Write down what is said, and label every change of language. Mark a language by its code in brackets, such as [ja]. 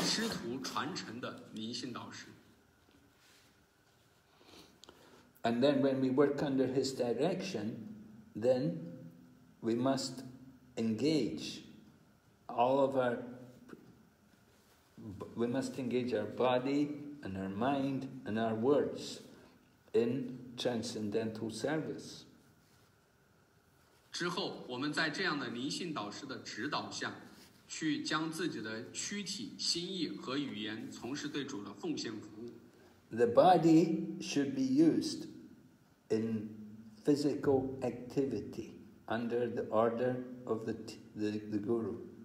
[zh] 人应该接受一位来自于是主仆人的仆人的这样的师徒传承的灵性导师。 [en] And then when we work under his direction, then we must engage all of our body and our mind and our words in transcendental service. [zh] 之后，我们在这样的灵性导师的指导下，去将自己的躯体、心意和语言从事对主的奉献服务。 [en] The body should be used in physical activity under the order of the guru.